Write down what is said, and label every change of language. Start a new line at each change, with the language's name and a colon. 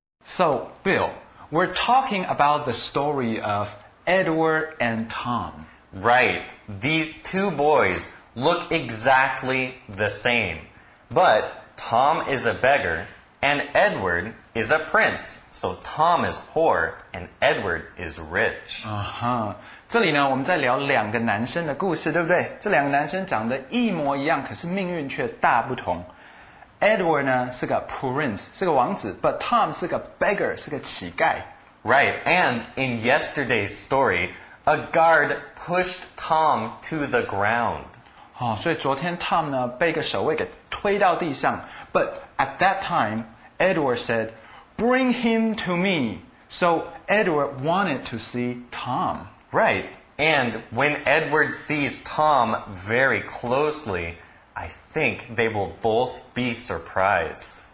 English: So, Bill, we're talking about the story of Edward and Tom. Right. These two boys look exactly the same. But Tom is a beggar and Edward is a prince. So Tom is poor and Edward is rich. Uh-huh.
Chinese: 这里呢我们在聊两个男生的故事，对不对？这两个男生长得一模一样，可是命运却大不同。 Edward 呢是个 prince, 是个王子 ,but Tom 是个 beggar, 是个乞丐。
English: Right, and in yesterday's story, a guard pushed Tom to the ground.
Chinese: 哦，所以昨天 Tom 呢被一个守卫给推到地上。
English: But at that time, Edward said, bring him to me. So Edward wanted to see Tom. Right, and when Edward sees Tom very closely,I think they will both be surprised.